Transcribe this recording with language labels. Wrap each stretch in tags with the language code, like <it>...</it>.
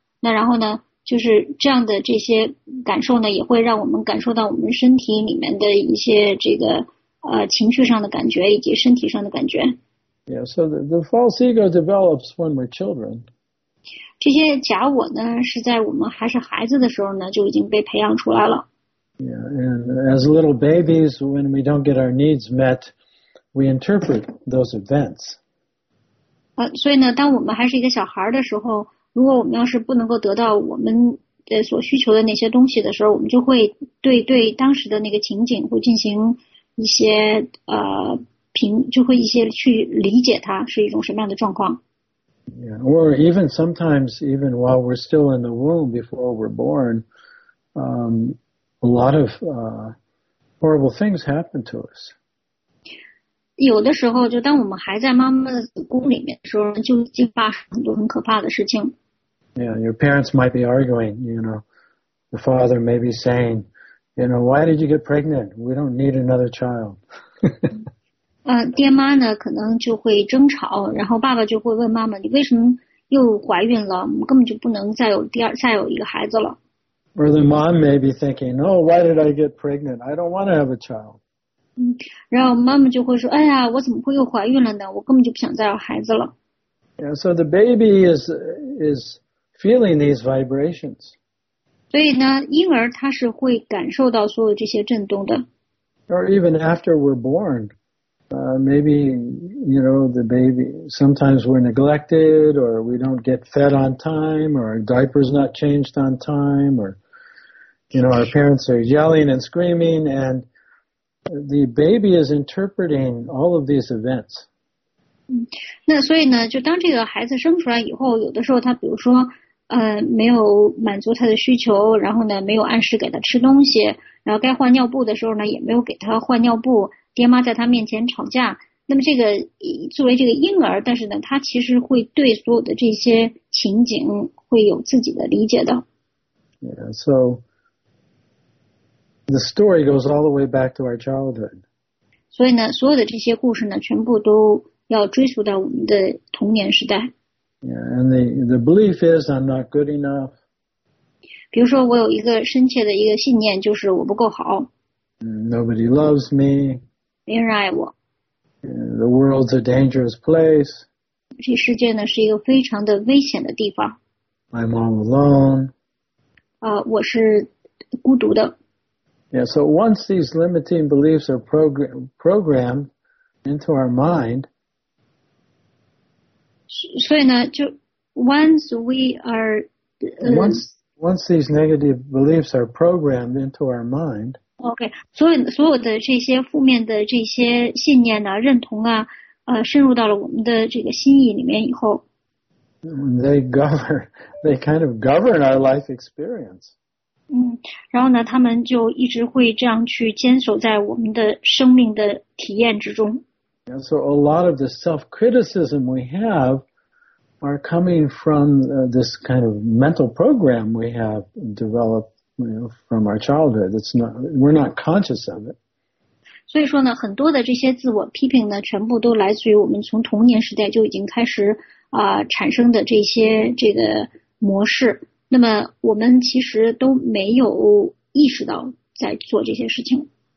<zh>那然后呢，就是这样的这些感受呢，也会让我们感受到我们身体里面的一些这个情绪上的感觉以及身体上的感觉。</zh> <en>Yeah, so the false ego develops when we're children.</en> <zh>这些假我呢，是在我们还是孩子的时候呢，就已经被培养出来了。</zh> <en>Yeah, and as little babies, when we don't get our needs met, we interpret those events.</en> <zh>所以呢，当我们还是一个小孩的时候，如果我们要是不能够得到我们所需求的那些东西的时候，我们就会对当时的那个情景会进行一些就会一些去理解它是一种什么样的状况。</zh> <en>Yeah, or even sometimes even while we're still in the womb before we're born, a lot of horrible things happen to us.</en> <zh>有的时候就当我们还在妈妈的子宫里面的时候，就已经发生很多很可怕的事情。</zh> <en>Yeah, your parents might be arguing, you know. The father may be saying, you know, why did you get pregnant? We don't need another child.</en> <zh>爹妈呢可能就会争吵，然后爸爸就会问妈妈，你为什么又怀孕了？我们根本就不能再有一个孩子了。</zh> <en>Or the mom may be thinking, oh, why did I get pregnant? I don't want to have a child.</en> <zh>然后妈妈就会说，哎呀，我怎么会又怀孕了呢？我根本就不想再有孩子了。</zh> <en>Yeah, so the baby is feeling these vibrations.</en> <zh>所以呢，婴儿他是会感受到所有这些震动的。</zh> <en>Or even after we're born, maybe, you know, the baby, sometimes we're neglected or we don't get fed on time or our diaper's not changed on time or, you know, our parents are yelling and screaming and the baby is interpreting all of these events.</en> <zh>那所以呢，就当这个孩子生出来以后，有的时候他比如说没有满足他的需求，然后呢没有按时给他吃东西，然后该换尿布的时候呢也没有给他换尿布，爹妈在他面前吵架，那么这个作为这个婴儿，但是呢他其实会对所有的这些情景会有自己的理解的。</zh> <en>Yeah, so the story goes all the way back to our childhood.</en> <zh>所以呢所有的这些故事呢全部都要追溯到我们的童年时代。</zh> <en>Yeah, and the belief is I'm not good enough.</en> <zh>比如说我有一个深切的一个信念就是我不够好。</zh> <en>Nobody loves me.</en> <zh>没人爱我。</zh> <en>The world's a dangerous place.</en> <zh>这世界呢是一个非常的危险的地方。</zh> <en>I'm all alone.</en> <zh>我是孤独的。</zh> <en>Yeah, so once these limiting beliefs are programmed into our mind,</en> <zh>所以呢就</zh> <en>once we are, once these negative beliefs are programmed into our mind,</en> <zh>okay, 所有的这些负面的这些信念啊认同啊深入到了我们的这个心意里面以后。</zh> <en>They kind of govern our life experience.</en> <zh>然后呢他们就一直会这样去坚守在我们的生命的体验之中。</zh> <en>And so a lot of the self-criticism we have are coming from this kind of mental program we have developed, you know, from our childhood. We're not conscious of it.</en> <zh>所以说呢很多的这些自我批评呢全部都来自于我们从童年时代就已经开始产生的这些这个模式。那么我们其实都没有意识到在做这些事情。</zh>